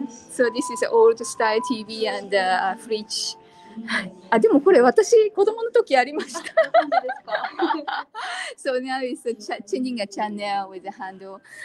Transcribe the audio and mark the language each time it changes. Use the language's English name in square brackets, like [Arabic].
[English] So this is old style TV and fridge. [Japanese] はい。あ、でもこれ私子供の時ありました。そうですか。 [English] So now it's changing a channel with the handle.